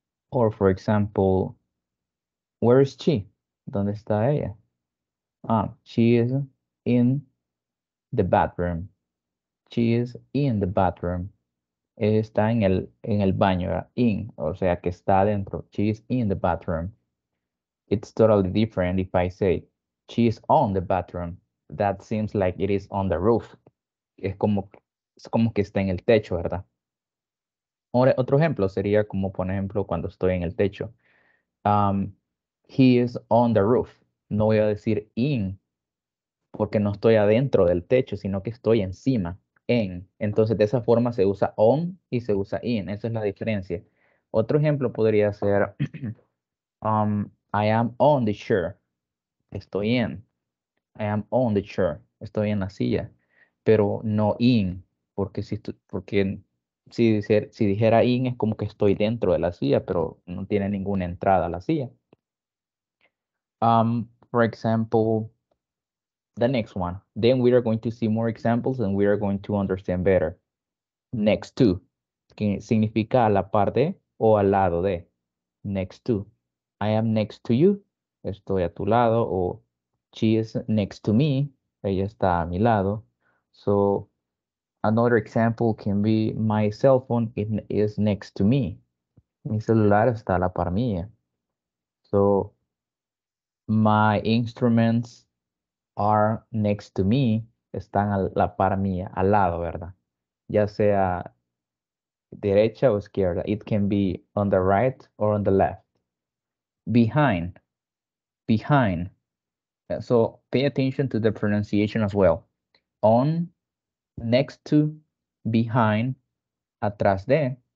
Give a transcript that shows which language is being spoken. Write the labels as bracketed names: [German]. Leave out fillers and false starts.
[English] Or, for example, where is she? [Spanish] ¿Dónde está ella? [English] Ah, she is in the bathroom. She is in the bathroom. [Spanish] Ella está en el baño, in, o sea, que está adentro. [English] She is in the bathroom. It's totally different if I say, she is on the bathroom. That seems like it is on the roof. [Spanish] Es como que está en el techo, ¿verdad? Otro ejemplo sería como, por ejemplo, cuando estoy en el techo. [English] He is on the roof. [Spanish] No voy a decir in, porque no estoy adentro del techo, sino que estoy encima, en. Entonces, de esa forma se usa on y se usa in. Esa es la diferencia. Otro ejemplo podría ser, [English] I am on the chair. [Spanish] Estoy en. [English] I am on the chair. [Spanish] Estoy en la silla. Pero no in, porque si porque Si dijera in, es como que estoy dentro de la silla, pero no tiene ninguna entrada a la silla. [English] For example, the next one. Then we are going to see more examples and we are going to understand better. [Spanish] Next to, que significa a la par de o al lado de. Next to. [English] I am next to you. [Spanish] Estoy a tu lado. O [English] she is next to me. [Spanish] Ella está a mi lado. [English] So, another example can be, my cell phone is next to me. [Spanish] Mi celular está a la par mía. [English] So, my instruments are next to me. [Spanish] Están a la par mía, al lado, ¿verdad? Ya sea derecha o izquierda. [English] It can be on the right or on the left. Behind. Behind. So, pay attention to the pronunciation as well. On, next to, behind, [Spanish] atrás de,